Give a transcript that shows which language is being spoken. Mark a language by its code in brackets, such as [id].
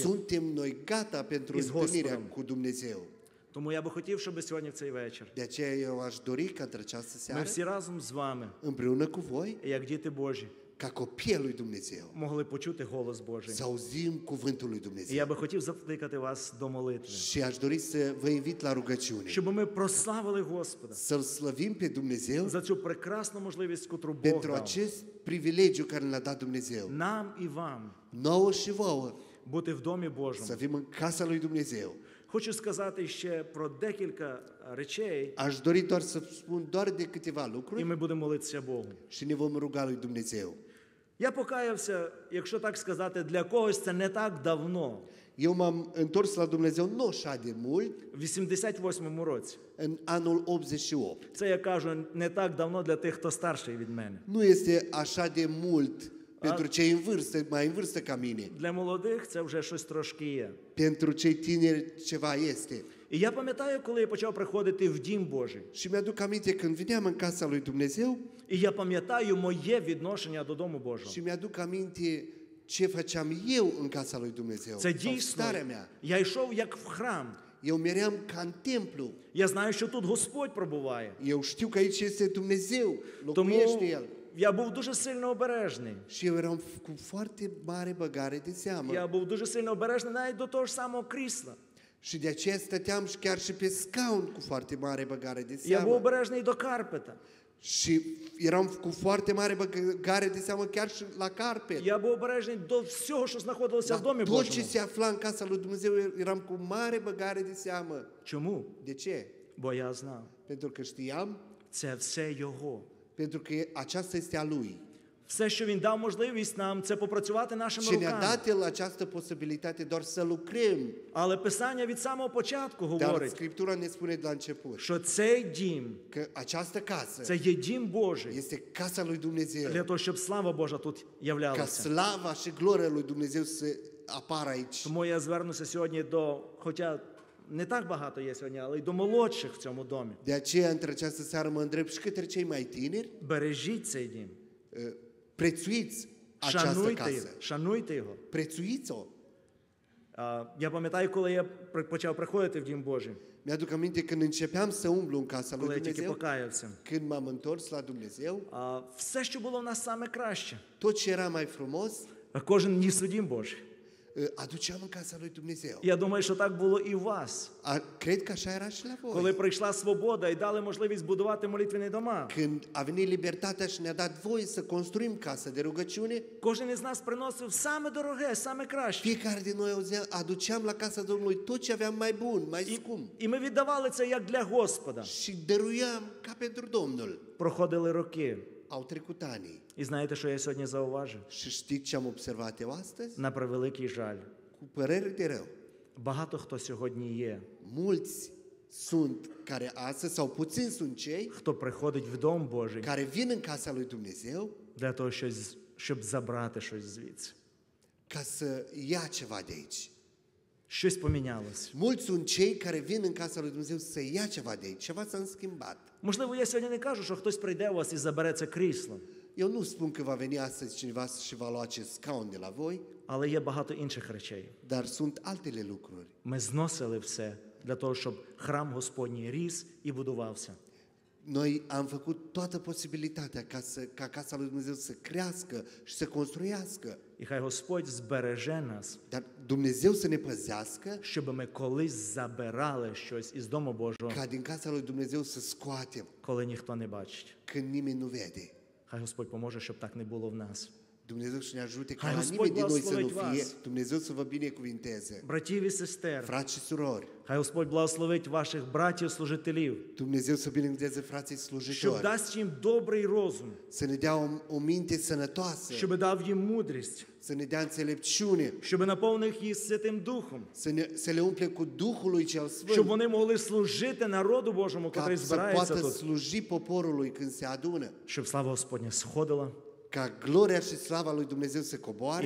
[ro] suntem noi gata pentru întâlnirea cu Dumnezeu. [uk] Тому я би хотів, щоб сьогодні в цей вечір, [ro] de aceea eu aș dori ca într-o această seară, [uk] ми всі разом з вами, [ro] împreună cu voi, [uk] як діти Божі, [ro] ca copiii lui Dumnezeu, [uk] могли почути голос Божий. [ro] Să auzim cuvântul lui Dumnezeu. [uk] Я би хотів закликати вас до молитви. [ro] Și aș dori să vă invit la rugăciune. [uk] Щоб ми прославили Господа. [ro] Să-L slăvim pe Dumnezeu. [uk] За цю прекрасну можливість, котру Бог [ro] Pentru acest privilegiu care ne-a dat Dumnezeu. [uk] Нам і вам. [ro] Nouă și vouă. [uk] Бути в домі Божому. [ro] Să fim în casa lui Dumnezeu. [uk] Хочу сказати ще про декілька речей. [ro] Aș dori doar să spun doar de câteva lucruri. [uk] І ми будемо молитися Богу. [ro] Și ne vom ruga lui Dumnezeu. [uk] Я покаявся, якщо так сказати, для когось це не так давно. [ro] Eu m-am întors la Dumnezeu nu așa de mult. [uk] В 88-му році. [ro] În anul 88. [uk] Це я кажу не так давно для тих, хто старший від мене. [ro] Nu este așa de mult pentru cei în vârstă, mai în vârstă ca mine. [uk] Для молодих це вже щось трошки є. [ro] Pentru cei tineri ceva este. [uk] І я пам'ятаю, коли я почав приходити в дім Божий. [ro] Și mi-aduc aminte când veneam în casa lui Dumnezeu. [uk] І я пам'ятаю моє відношення до дому Божого. [ro] Și mi-aduc aminte ce făceam eu în casa lui Dumnezeu. [uk] Це дійсно. Я йшов як в храм. [ro] Eu meream ca în templu. [uk] Я знаю, що тут Господь пробуває. [ro] Eu știu că aici este Dumnezeu. Locuiește El. [uk] Я був дуже сильно обережний. [ro] Și eu eram cu foarte mare băgare de seamă. [uk] Я був дуже сильно обережний навіть до того ж самого крісла. [ro] Și de aceea stăteam și chiar și pe scaun cu foarte mare băgare de seamă. [uk] Я був обережний до карпета. [ro] Și eram cu foarte mare băgare de seamă chiar și la carpet. [uk] Я був обережний до всього, що знаходилося в домі Божому. [ro] Tot ce se afla în casa lui Dumnezeu, eram cu mare băgare de seamă. [uk] Чому? [ro] De ce? [uk] Бо я знав. [ro] Pentru că știam. [uk] Це все його. [ro] Pentru că aceasta este a Lui. [uk] Все, що Він дав можливість нам, це попрацювати нашими руками. [ro] Și ne-a dat El această posibilitate doar să lucrăm. [uk] Але Писання від самого початку говорить. [ro] Dar Scriptura ne spune de la început. [uk] Що цей дім. [ro] Că această casă. [uk] Це є дім Божий. [ro] Este casa lui Dumnezeu. [uk] Для того, щоб слава Божа тут являлася. [ro] Ca slava și gloria lui Dumnezeu să apară aici. [uk] Тому я звернуся сьогодні до, хоча не так багато є сьогодні, але й до молодших в цьому домі. [ro] De aceea, între această seară, mă îndrept și către cei mai tineri. [uk] Бережіть цей дім. [ro] Prețuiți această [uk] шануйте [ro] casă. [uk] Шануйте його. [ro] Prețuiți-o. [uk] Я пам'ятаю, коли я почав приходити в дім Божий. [ro] Mi-aduc aminte când începeam să umblu în casa lui Dumnezeu. Când m-am întors la Dumnezeu. [uk] Все, що було в нас саме краще. [ro] Tot ce era mai frumos. [uk] Кожен ніс у дім Божий. [ro] Aduceam în casa lui Dumnezeu. [uk] Я думаю, що так було і у вас. [ro] А cred că așa era și la voi. [uk] Коли прийшла свобода і дали можливість будувати молитвені дома. [ro] Când a venit libertatea și ne-a dat voie să construim casă de rugăciune. [uk] Кожен із нас приносив саме дороге, саме краще. [ro] Fiecare din noi aduceam la casa Domnului tot ce aveam mai bun, mai scump. [uk] І ми віддавали це як для Господа. [ro] Și dăruiam ca pentru Domnul. [uk] Проходили роки. [ro] Au trecut ani. [uk] І знаєте, що я сьогодні зауважив? [ro] Și știți ce am observat eu astăzi? [uk] На превеликий жаль. [ro] Cu părere de rău. [uk] Багато хто сьогодні є. [ro] Mulți sunt care astăzi, sau puțin sunt cei, [uk] хто приходить в дом Божий, [ro] care vin în casa lui Dumnezeu, [uk] для того, щоб забрати щось звідси. [ro] Ca să ia ceva de aici. [uk] Щось помінялось. [ro] Mulți sunt cei care vin în casa lui Dumnezeu să ia ceva de aici. Ceva s-a schimbat. [uk] Можливо, я сьогодні не кажу, що хтось прийде у вас і забере це крісло. [ro] Eu nu spun că va veni astăzi cineva și va lua acest scaun de la voi. [uk] Але є багато інших речей. [ro] Dar sunt altele lucruri. [uk] Ми зносили все для того, щоб храм Господній ріс і будувався. [ro] Noi am făcut toată posibilitatea ca să, ca casa lui Dumnezeu să crească și să construiască. [uk] І хай Господь збереже нас. [ro] Dar Dumnezeu să ne păzească. [uk] Щоб ми колись забирали щось із дому Божого. [ro] Ca din casa lui Dumnezeu să scoatem. [uk] Коли ніхто не бачить. [ro] Când nimeni nu vede. [uk] Хай Господь поможе, щоб так не було в нас. [ro] Dumnezeu să ne ajute ca nimeni din noi să nu fie. Dumnezeu să vă binecuvinteze. [uk] Братів і сестер. [ro] Frați și surori. [uk] Хай Господь благословить ваших братів служителів. [ro] Dumnezeu să binecuvinteze frații slujitori. [uk] Щоб дасть їм добрий розум. [ro] Să ne dea o minte sănătoasă. [uk] Щоб дав їм мудрість. [ro] Să ne dea înțelepciune. [uk] Щоб наповнив їх Святим Духом. [ro] Să le umple cu Duhul lui cel Sfânt. [uk] Щоб вони могли служити народу Божому, який збирається тут. [ro] Ca să poată sluji poporului când se adună. [uk] Щоб слава Господня сходила. [ro] Ca gloria și slava lui Dumnezeu să coboare.